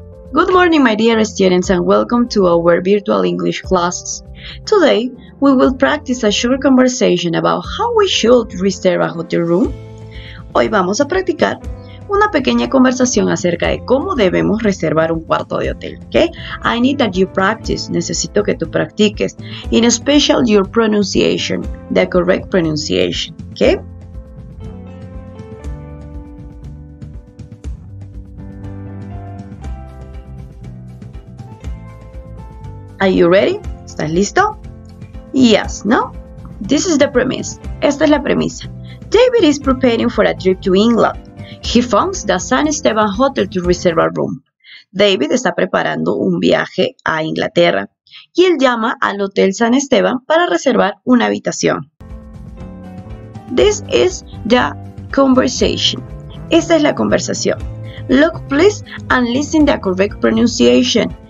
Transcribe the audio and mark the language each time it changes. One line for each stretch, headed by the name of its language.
English: Good morning, my dear students, and welcome to our virtual English classes. Today, we will practice a short conversation about how we should reserve a hotel room.
Spanish: Hoy vamos a practicar una pequeña conversación acerca de cómo debemos reservar un cuarto de hotel, ¿okay?
English: I need that you practice.
Spanish: Necesito que tú practiques.
English: In special, your pronunciation, the correct pronunciation, ¿okay? Are you ready?
Spanish: ¿Estás listo?
English: Yes, no? This is the premise.
Spanish: Esta es la premisa.
English: David is preparing for a trip to England. He phones the San Esteban Hotel to reserve a room.
Spanish: David está preparando un viaje a Inglaterra y él llama al Hotel San Esteban para reservar una habitación.
English: This is the conversation.
Spanish: Esta es la conversación.
English: Look, please, and listen the correct pronunciation.